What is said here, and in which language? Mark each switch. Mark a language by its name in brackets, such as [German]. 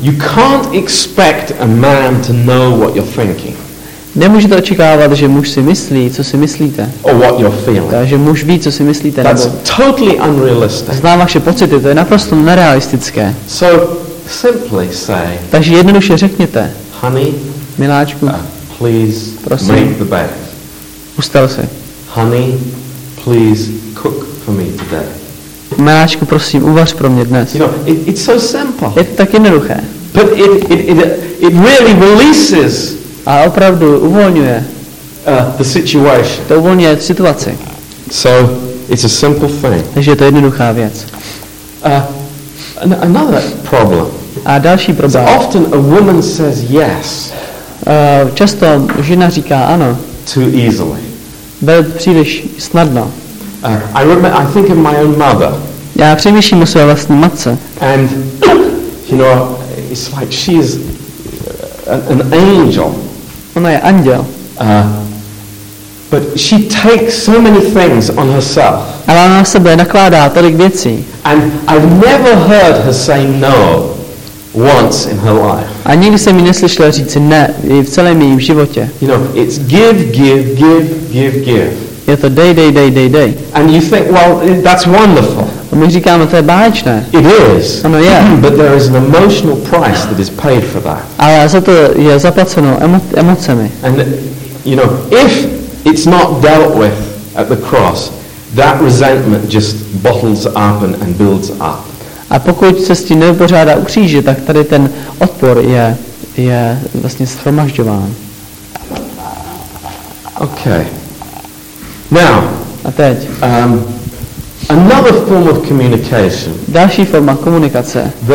[English] You can't expect a man to know what you're thinking. [Czech] Nemůžete očekávat, že muž si myslí, co si myslíte. [English] Or what you're feeling. [Czech] Takže muž ví, co si myslíte. [English] That's totally unrealistic. [Czech] Zná vaše pocity, to je naprosto nerealistické. [English] So simply say. [Czech] Takže jednoduše řekněte. [English] Honey, [Czech] miláčku, [English] please, [Czech] prosím, [English] make the bed. [Czech] Ustal se. [English] Honey, please cook for me today. [Czech] Miláčku, prosím, uvař pro mě dnes. [English] You know, it's so simple. [Czech] Je to tak jednoduché. [English] But it really releases. [Czech] A opravdu uvolňuje. [English] The situation. [Czech] To uvolňuje situaci. [English] So it's a simple thing. [Czech] Takže je to jednoduchá věc. [English] Another problem. [Czech] A další problém. [English] So often a woman says yes. [Czech] Často žena říká ano. [English] Too easily. [Czech] Byl příliš snadno. [English] I think of my own mother. [Czech] Já přemýšlím o své vlastní matce. [English] And you know, it's like she is an angel. [Czech] Ona je anděl. [English] But she takes so many things on herself. [Czech] Ale ona na sebe nakládá tolik věcí. [English] And I've never heard her say no once in her life. [Czech] A nikdy jsem ji neslyšel říct ne v celém jejím životě. [English] You know, it's give, give, give, give, give. [Czech] Je to dej, dej, dej, dej, dej. [English] And you think, well, that's wonderful. [Czech] My říkáme, to je báječné. [English] It is. [Czech] Ano, je. [English] But there is an emotional price that is paid for that. [Czech] Ale za to je zaplaceno emocemi. [English] And you know, if it's not dealt with at the cross, that resentment just bottles up and builds up. [Czech] A pokud se s tím nevypořádá u kříže, tak tady ten odpor je vlastně shromažďován. [English] Okay. Now. [Czech] A teď. [English] Another form of communication. [Czech] Další forma komunikace.